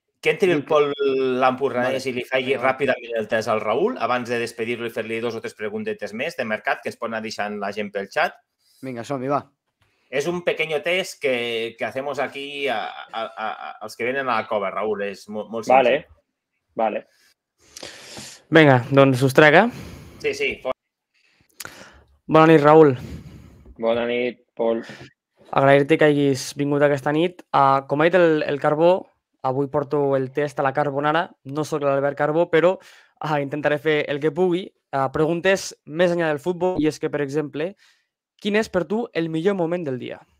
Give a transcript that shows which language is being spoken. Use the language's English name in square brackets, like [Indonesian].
[Spanish] ¿Quién tiene el Pol Lampurranés vale. [Catalan] y li faci ràpidament el test al Raúl abans de despedir-lo i fer-li dos o tres preguntetes més de mercat que es pot anar deixant la gent pel chat? Vinga, som-hi, va. [Spanish] Es un pequeño test que hacemos aquí a los que vienen a la cova, Raúl. Es muy, muy simple. Vale. Venga, donde se os traga. Sí, sí. [Catalan] Bona nit, Raúl. Bona nit, Pol. Agrair-te que hagis vingut aquesta nit. Com ha dit el Carbó, avui porto el test a la Carbonara. No soc l'Albert Carbó, però intentaré fer el que pugui. Preguntes més enllà del futbol i és que, per exemple... [Spanish] ¿Quién es para tú el mejor momento del día?